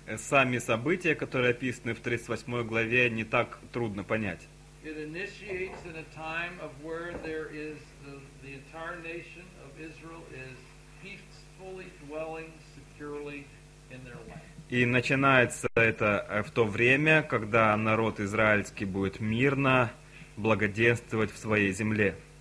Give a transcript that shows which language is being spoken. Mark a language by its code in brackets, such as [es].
[ru] Сами события, которые описаны в 38 главе, не так трудно понять. [en] It initiates in a time of where there is the entire nation of Israel is peacefully dwelling securely in their land. [ru] И начинается это в то время, когда народ израильский будет мирно благоденствовать в своей земле.